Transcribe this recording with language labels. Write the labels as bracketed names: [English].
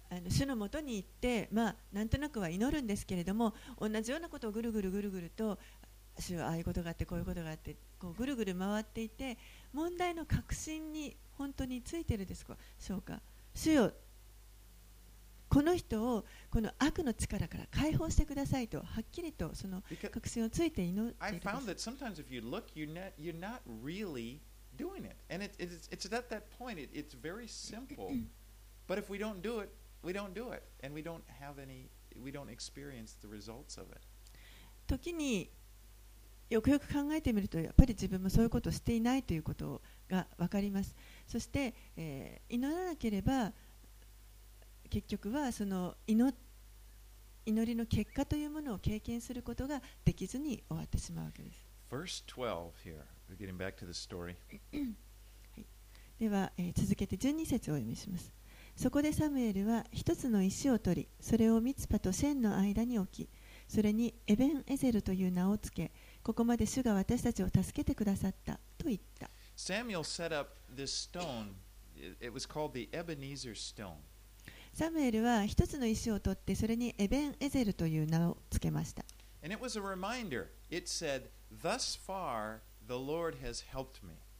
[Japanese] 主のもとに行って、まあ、なんとなくは祈るんですけれども、同じようなことをぐるぐるぐるぐると、主はああいうことがあって、こういうことがあって、こうぐるぐる回っていて、問題の核心に本当についてるでしょうか。主よ、この人をこの悪の力から解放してくださいと、はっきりとその確信をついて祈っているんです。 [English] I found that sometimes if you look, you're not really doing it. And it's at that point, it's very simple. But if we don't do it, we don't do it. And we don't experience the results of it. [Japanese] 時によくよく考えてみると、やっぱり自分もそういうことをしていないということが分かります。そして、祈らなければ、結局はその祈りの結果というものを経験することができずに終わってしまうわけです。 [English] Verse 12 here. We're getting back to the story. [Japanese] では、続けて12節を読みします。そこでサムエルは一つの石を取り、それをミツパとシェンの間に置き、それにエベンエゼルという名をつけ、ここまで主が私たちを助けてくださったと言った。 [English] サムエル set up this stone. It was called the Ebenezer stone. [Japanese] サムエルは一つの石を取って、それにエベンエゼルという名をつけました。 [English] And it was a reminder. It said, "Thus far, the Lord has helped me."